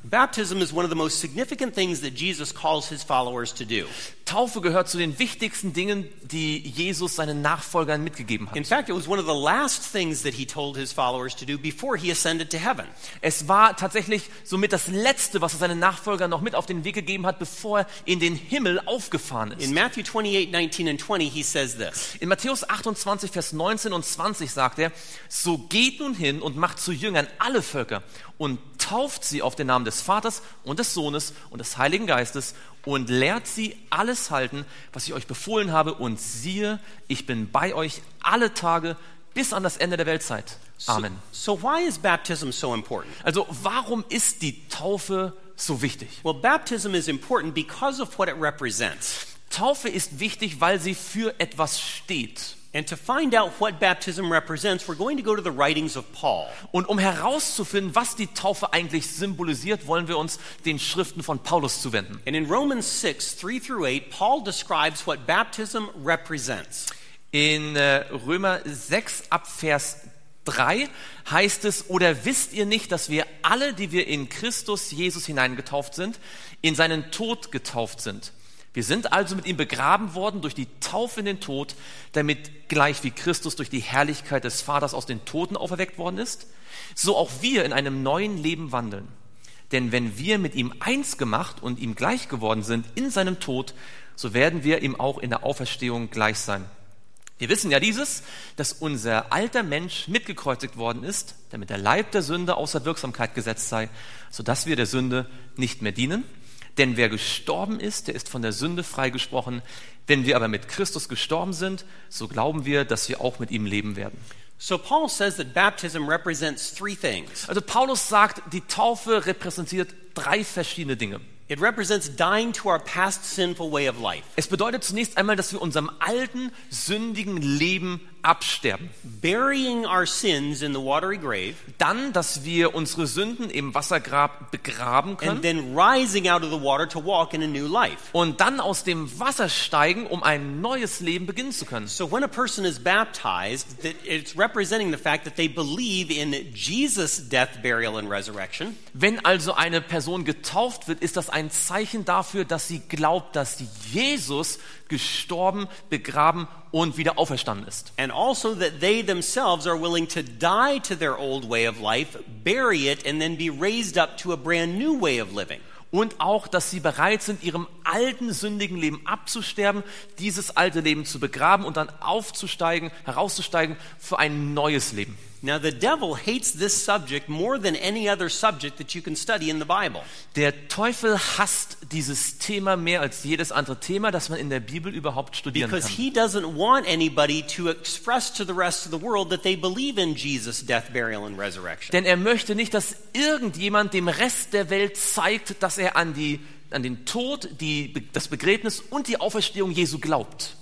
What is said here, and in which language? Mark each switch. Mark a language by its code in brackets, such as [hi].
[en] Baptism is one of the most significant things that Jesus calls his followers to do. [de] Taufe gehört zu den wichtigsten Dingen, die Jesus seinen Nachfolgern mitgegeben hat. [en] In fact, it was one of the last things that he told his followers to do before he ascended to heaven. [de] Es war tatsächlich somit das Letzte, was er seinen Nachfolgern noch mit auf den Weg gegeben hat, bevor er in den Himmel aufgefahren ist. [en] In Matthew 28, 19 and 20, he says this. [de] In Matthäus 28, Vers 19 und 20 sagt er: So geht nun hin und macht zu Jüngern alle Völker und tauft sie auf den Namen des Vaters und des Sohnes und des Heiligen Geistes und lehrt sie alles halten, was ich euch befohlen habe. Und siehe, ich bin bei euch alle Tage bis an das Ende der Weltzeit. Amen. [en] So why is baptism so important? [de] Also warum ist die Taufe so wichtig? [en] Well, baptism is important because of what it represents. [de] Taufe ist wichtig, weil sie für etwas steht. [en] And to find out what baptism represents, we're going to go to the writings of Paul. [de] Und herauszufinden, was die Taufe eigentlich symbolisiert, wollen wir uns den Schriften von Paulus zuwenden. [en] And in Romans 6, 3 through 8, Paul describes what baptism represents. [de] In Römer 6 ab Vers 3 heißt es, oder wisst ihr nicht, dass wir alle, die wir in Christus Jesus hineingetauft sind, in seinen Tod getauft sind? Wir sind also mit ihm begraben worden durch die Taufe in den Tod, damit gleich wie Christus durch die Herrlichkeit des Vaters aus den Toten auferweckt worden ist, so auch wir in einem neuen Leben wandeln. Denn wenn wir mit ihm eins gemacht und ihm gleich geworden sind in seinem Tod, so werden wir ihm auch in der Auferstehung gleich sein. Wir wissen ja dieses, dass unser alter Mensch mitgekreuzigt worden ist, damit der Leib der Sünde außer Wirksamkeit gesetzt sei, sodass wir der Sünde nicht mehr dienen. Denn wer gestorben ist, der ist von der Sünde freigesprochen. Wenn wir aber mit Christus gestorben sind, so glauben wir, dass wir auch mit ihm leben werden. [en] So Paul says that baptism represents three things. [de] Also Paulus sagt, die Taufe repräsentiert drei verschiedene Dinge. [en] It represents dying to our past sinful way of life. [de] Es bedeutet zunächst einmal, dass wir unserem alten sündigen Leben absterben. [en] Burying our sins in the watery grave. [de] Dann, dass wir unsere Sünden im Wassergrab begraben können. [en] And then rising out of the water to walk in a new life. [de] Und dann aus dem Wasser steigen, um ein neues Leben beginnen zu können. [en] So when a person is baptized, it's representing the fact that they believe in Jesus' death, burial and resurrection. [de] Wenn also eine Person getauft wird, ist das ein Zeichen dafür, dass sie glaubt, dass Jesus gestorben, begraben und wieder auferstanden ist. [en] And also that they themselves are willing to die to their old way of life, bury it and then be raised up to a brand new way of living. [de] Und auch, dass sie bereit sind, ihrem alten sündigen Leben abzusterben, dieses alte Leben zu begraben und dann aufzusteigen, herauszusteigen für ein neues Leben. [en] Now the devil hates this subject more than any other subject that you can study in the Bible. [de] Der Teufel hasst dieses Thema mehr als jedes andere Thema, das man in der Bibel überhaupt studieren [en] Because [de] kann. [en] Because he doesn't want anybody to express to the rest of the world that they believe in Jesus' death, burial and resurrection. [de] Denn er möchte nicht, dass irgendjemand dem Rest der Welt zeigt, dass er an den Tod, das Begräbnis und die Auferstehung Jesu glaubt.